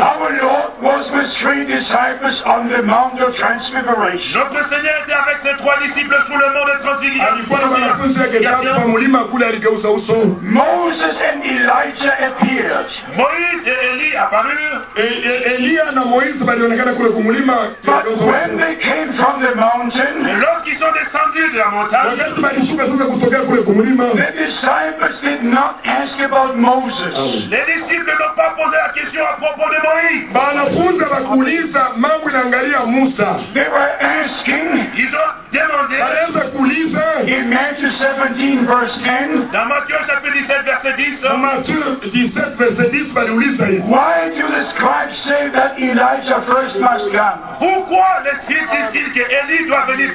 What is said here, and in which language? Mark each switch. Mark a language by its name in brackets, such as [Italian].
[English] Our Lord was with three disciples on the Mount of Transfiguration. [French] Notre Seigneur était avec ses trois disciples sur le Mont de Transfiguration. [English] Moses and Elijah appeared. [French] Moïse et Élie apparurent. Élie et Moïse [English] But when they came from the mountain, [French] lorsqu'ils sont descendus de la montagne, [English] the disciples did not ask about Moses. [French] Les disciples n'ont pas posé la question à propos de Moïse. [Swahili] Banafunza bakuliza mambo inaangalia Musa. [English] They were asking. [French] Ils ont demandé. [Swahili] Banaanza kuuliza. [English] In Matthew 17 verse 10. [French] Dans Matthieu chapitre 17 verset 10. Matthieu 17 verset 10 [Swahili] baliuliza hivi. [English] Why do the scribes say that Elijah first must come? [French] Pourquoi les scribes disent-ils que Élie doit venir